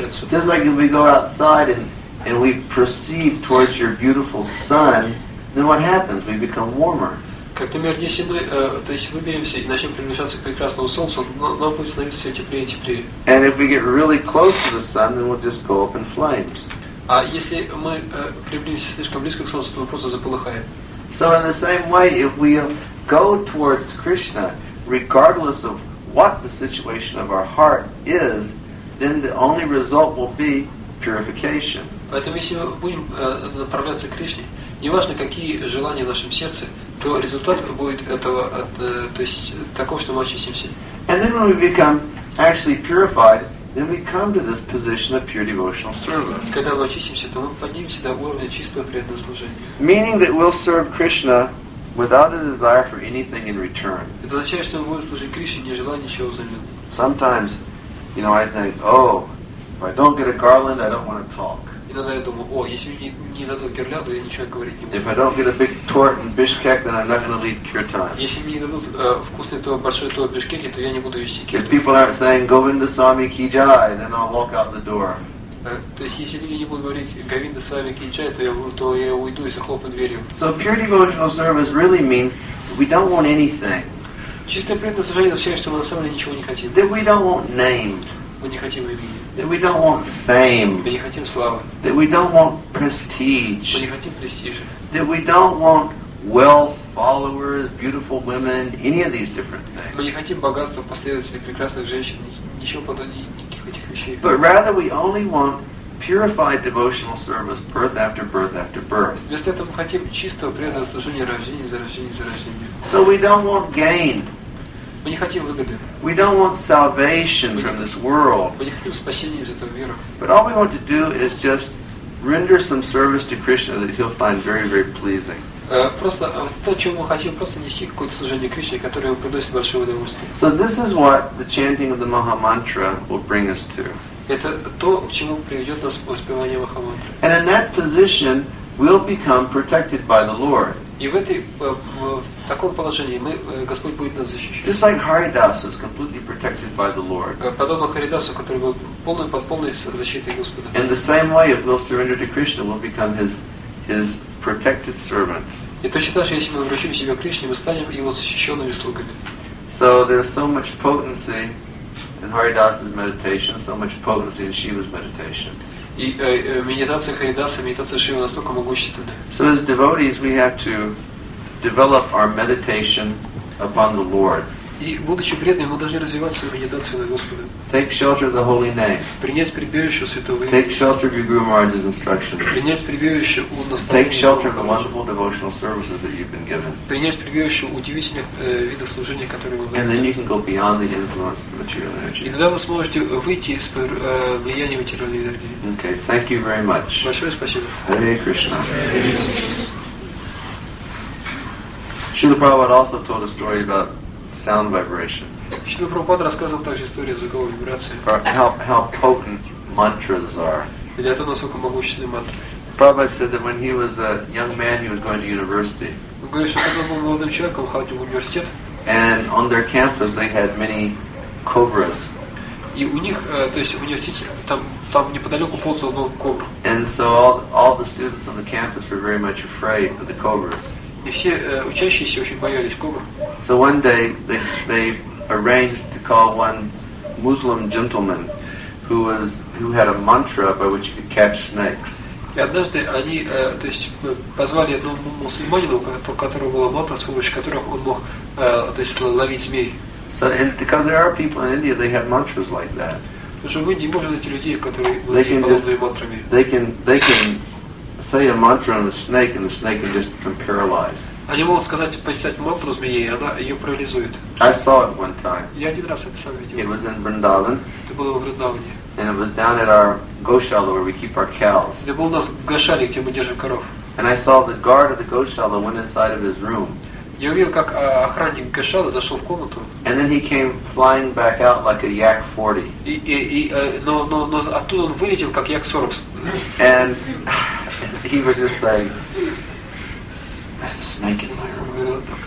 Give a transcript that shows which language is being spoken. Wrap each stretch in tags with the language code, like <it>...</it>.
<en>Just like if we go outside and we proceed towards your beautiful sun, then what happens? We become warmer.</en> <ru>Как, например, если мы, то есть выберемся и начнем приближаться к прекрасному солнцу, нам будет становиться все теплее и теплее.</ru> <en>And if we get really close to the sun, then we'll just go up in flames.</en> <ru>А если мы приблизимся слишком близко к солнцу, то мы просто заполыхаем.</ru> <en>So in the same way, if we go towards Krishna, regardless of what the situation of our heart is, then the only result will be purification.</en> <ru>Поэтому если мы будем направляться к Кришне, неважно какие желания в нашем сердце, то результат будет этого, то есть такого, что мы очистимся.</ru> <en>And then when we become actually purified, then we come to this position of pure devotional service.</en> <ru>Когда мы очистимся, то мы поднимемся до уровня чистого преданного служения.</ru> <en>Meaning that we'll serve Krishna without a desire for anything in return.</en> <ru>Это означает, что мы будем служить Кришне, не желая ничего взамен.</ru> <en>Sometimes, you know, I think, oh, if I don't get a garland, I don't want to talk.</en> <ru>Иногда я думаю, о, если мне не дадут гирлянду, я ничего говорить не буду.</ru> <en>If I don't get a big torte in Bishkek, then I'm not going to lead kirtan.</en> <ru>Если мне не дадут вкусный торт, большой торт в Бишкеке, то я не буду вести киртан.</ru> <en>If people aren't saying Govinda Swami Ki Jai, then I'll walk out the door.</en> <ru>То есть если люди не будут говорить Govinda Swami Ki Jai, то я уйду и захлопну дверью.</ru> <en>So pure devotional service really means we don't want anything.</en> <ru>Чистое преданное служение означает, что мы на самом деле ничего не хотим.</ru> <en>That we don't want name.</en> <ru>Мы не хотим имени.</ru> <en>That we don't want fame.</en> <ru>Мы не хотим славы.</ru> <en>That we don't want prestige.</en> <ru>Мы не хотим престижа.</ru> <en>That we don't want wealth, followers, beautiful women, any of these different things.</en> <ru>Мы не хотим богатства, последователей, прекрасных женщин, ничего подобного, никаких этих вещей.</ru> <en>But rather we only want purified devotional service, birth after birth after birth.</en> <ru>Вместо этого мы хотим чистого преданного служения, рождения за рождение за рождение.</ru> <en>So we don't want gain.</en> <ru>Мы не хотим выгоды.</ru> <en>We don't want salvation from this world.</en> <ru>Мы не хотим спасения из этого мира.</ru> <en>But all we want to do is just render some service to Krishna that he'll find very, very pleasing.</en> <ru>Просто то, чему мы хотим, просто нести какое-то служение Кришне, которое ему приносит большое удовольствие.</ru> <en>So this is what the chanting of the Maha Mantra will bring us to.</en> <ru>Это то, к чему приведет нас воспевание Маха Мантры.</ru> <en>And in that position, we'll become protected by the Lord.</en> <ru>И в этой в таком положении мы Господь будет нас защищать.</ru> <en>Just like Haridas was completely protected by the Lord.</en> <ru>Подобно Харидасу, который был полной защитой Господа.</ru> <en>In the same way, if we'll surrender to Krishna, we'll become his protected servant.</en> <ru>И точно так же, если мы обращим себя к Кришне, мы станем его защищенными слугами.</ru> <en>So there's so much potency in Haridas's meditation, so much potency in Shiva's meditation.</en> <ru>И медитация Харидаса, медитация Шивы настолько могущественна.</ru> <en>So as devotees, we have to develop our meditation upon the Lord.</en> <ru>И будучи преданными, мы должны развивать свою медитацию на Господа.</ru> <en>Take shelter of the holy name.</en> <ru>Принять прибежище у святого имени.</ru> <en>Take shelter of Guru Maharaj's instructions.</en> <ru>Принять прибежище у наставления.</ru> <en>Take shelter of the wonderful devotional services that you've been given.</en> <ru>Принять прибежище удивительных видов служения, которые вы.</ru> <en>And then you can go beyond the influence of material energy.</en> <ru>И тогда вы сможете выйти из влияния материальной энергии.</ru> <en>Okay, thank you very much.</en> <ru>Большое спасибо.</ru> <en>Hare Krishna. Srila Prabhupada also told a story about sound vibration.</en> <ru>Srila Prabhupada рассказывал также историю звуковой вибрации.</ru> <en>How potent mantras are.</en> <ru>Или о том, насколько могущественны мантры.</ru> <en>Prabhupada said that when he was a young man, he was going to university.</en> <ru>Он говорит, что когда был молодым человеком, ходил в университет.</ru> <en>And on their campus, they had many cobras.</en> <ru>И у них, то есть в университете, там неподалеку ползал много кобр.</ru> <en>And so all the students on the campus were very much afraid of the cobras.</en> <ru>И все учащиеся очень боялись кобр.</ru> <en>So one day they arranged to call one Muslim gentleman who had a mantra by which you could catch snakes.</en> <ru>И однажды они то есть позвали одного мусульманина, у которого была мантра, с помощью которой он мог то есть ловить змей.</ru> <en>So and because there are people in India, they have mantras like that.</en> <ru>Потому что в Индии можно найти людей, которые владеют подобными мантрами.</ru> <en>They can say a mantra on the snake and the snake would just become paralyzed.</en> <ru>Они могут сказать, почитать мантру змеи, и она ее парализует.</ru> <en>I saw it one time.</en> <ru>Я один раз это сам видел.</ru> <en>It was in Vrindavan.</en> <ru>Это было в Вриндаване.</ru> <en>And it was down at our goshala where we keep our cows.</en> <ru>Это было у нас в гошале, где мы держим коров.</ru> <en>And I saw the guard of the goshala went inside of his room.</en> <ru>Я увидел, как охранник гошалы зашел в комнату.</ru> <en>And then he came flying back out like a yak 40.</en> <ru>Но оттуда он вылетел как yak 40.</ru> <en>And he was just like, there's a snake in my room.</en>